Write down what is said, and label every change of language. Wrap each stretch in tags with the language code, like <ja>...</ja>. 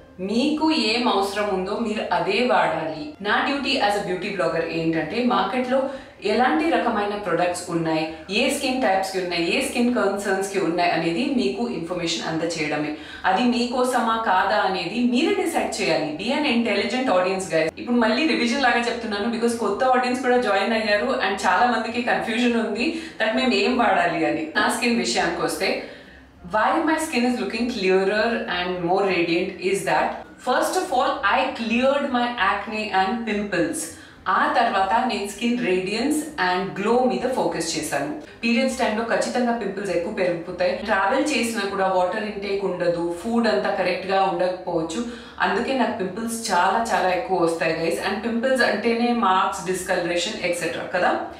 <te>మీకు ఏం అవసరం ఉందో మీరు అదే వాడాలి. నా duty</te> <en>as a beauty blogger</en> <te>ఏంటంటే మార్కెట్లో ఎలాంటి రకమైన ప్రొడక్ట్స్ ఉన్నాయి, ఏ స్కిన్ టైప్స్కి ఉన్నాయి, ఏ స్కిన్ కన్సర్న్స్కి ఉన్నాయి అనేది మీకు ఇన్ఫర్మేషన్ అందచేయడమే. అది మీకోసమా కాదా అనేది మీరే డిసైడ్ చేయాలి.</te> <en>Be an intelligent audience guys.</en> <te>ఇప్పుడు మళ్ళీ రివిజన్ లాగా చెప్తున్నాను బికాస్ కొత్త ఆడియన్స్ కూడా జాయిన్ అయ్యారు అండ్ చాలా మందికి కన్ఫ్యూజన్ ఉంది దట్ మేము ఏం వాడాలి అని. నా స్కిన్ విషయానికి వస్తే,</te> <en>why my skin is looking clearer and more radiant is that first of all I cleared my acne and pimples.</en> <te>ఆ తర్వాత నేను స్కిన్ రేడియన్స్ అండ్ గ్లో మీద ఫోకస్ చేశాను. పీరియడ్స్ టైంలో ఖచ్చితంగా పింపుల్స్ ఎక్కువ పెరిగిపోతాయి. ట్రావెల్ చేసినా కూడా వాటర్ ఇంటేక్ ఉండదు, ఫుడ్ అంతా కరెక్ట్గా ఉండకపోవచ్చు. అందుకే నాకు పింపుల్స్ చాలా చాలా ఎక్కువ వస్తాయి గైస్. అండ్ పింపుల్స్ అంటేనే మార్క్స్, డిస్కలరేషన్ ఎక్సెట్రా కదా.</te>